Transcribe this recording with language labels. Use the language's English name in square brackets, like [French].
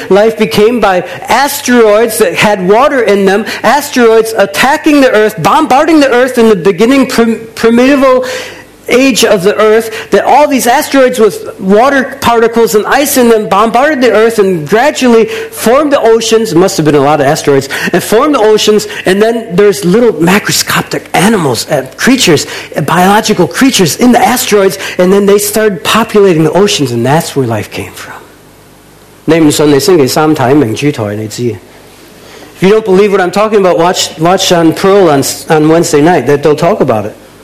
[English] Life became by asteroids that had water in them, asteroids attacking the Earth, bombarding the Earth in the beginning primeval age of the Earth, that all these asteroids with water particles and ice in them bombarded the Earth and gradually formed the oceans, must have been a lot of asteroids, and formed the oceans, and then there's little macroscopic animals, creatures, biological creatures in the asteroids, and then they started populating the oceans, and that's where life came from. [Chinese] 你不信你星期三看明珠台你知道 [English] If you don't believe what I'm talking about, watch on Pearl on Wednesday night, they'll talk about it.